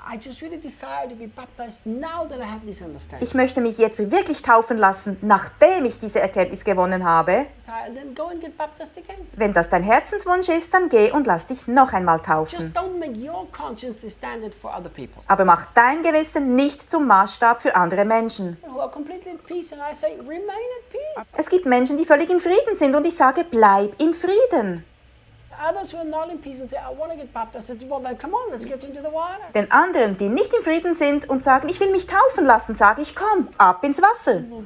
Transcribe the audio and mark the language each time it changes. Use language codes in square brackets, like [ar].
[en] I just really decided to be baptized now that I have this understanding. [de] Ich möchte mich jetzt wirklich taufen lassen, nachdem ich diese Erkenntnis gewonnen habe. [en] So, then go and get baptized again. [de] Wenn das dein Herzenswunsch ist, dann geh und lass dich noch einmal taufen. [en] Just don't make your conscience the standard for other people. [de] Aber mach dein Gewissen nicht zum Maßstab für andere Menschen. [en] Who are completely at peace and I say, remain at peace. [de] Es gibt Menschen, die völlig im Frieden sind und ich sage, bleib im Frieden. [en] Others who are not in peace and say, I want to get baptized. Well, then come on, let's get into the water. [de] Den anderen, die nicht im Frieden sind und sagen, ich will mich taufen lassen, sage ich, komm, ab ins Wasser.